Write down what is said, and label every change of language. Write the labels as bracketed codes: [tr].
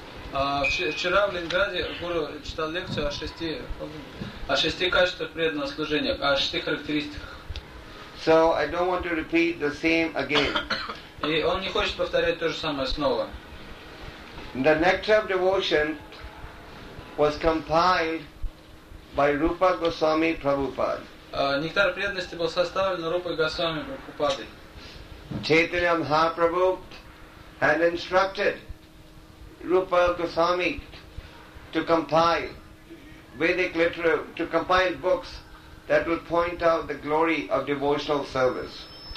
[ru] Вчера в Ленинграде Гуру читал лекцию о шести качествах преданного служения, о шести характеристиках. [en] So I don't want to repeat the same again. [ru] И он не хочет повторять то же самое снова. [en] The nectar of devotion was compiled by Rupa Goswami Prabhupada. [ru] Нектар преданности был составлен Рупой Госвами Прабхупадой. [en] Chaitanya Mahaprabhu had instructed Rupa Goswami to compile Vedic literature, to compile books that would point out the glory of devotional service.